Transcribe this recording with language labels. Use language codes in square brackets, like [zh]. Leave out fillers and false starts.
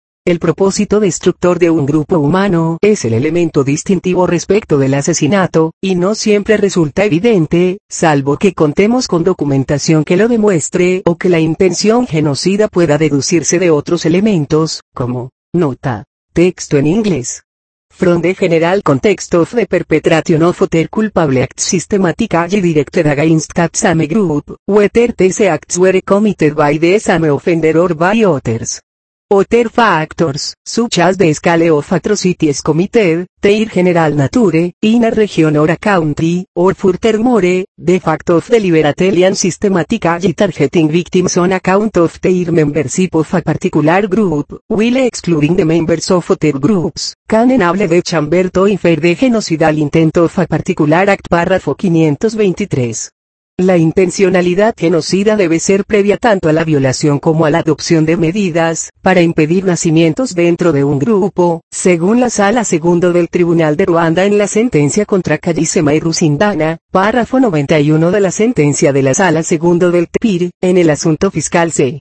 [es] El propósito destructor de un grupo humano es el elemento distintivo respecto del asesinato, y no siempre resulta evidente, salvo que contemos con documentación que lo demuestre o que la intención genocida pueda deducirse de otros elementos, como, nota, texto en inglés. [en] From the general context of the perpetration of other culpable acts systematically directed against that same group, whether these acts were committed by the same offender or by others. Other factors, such as the scale of atrocities committed, their general nature, in a region or a country, or furthermore, the fact of deliberately and systematically targeting victims on account of their membership of a particular group, while excluding the members of other groups, can enable the chamber to infer the genocidal intent of a particular act [es] párrafo 523. La intencionalidad genocida debe ser previa tanto a la violación como a la adopción de medidas para impedir nacimientos dentro de un grupo, según la Sala Segundo del Tribunal de Ruanda en la sentencia contra Kayisema y Rusindana, párrafo 91 de la sentencia de la Sala Segundo del TPIR, en el asunto fiscal C.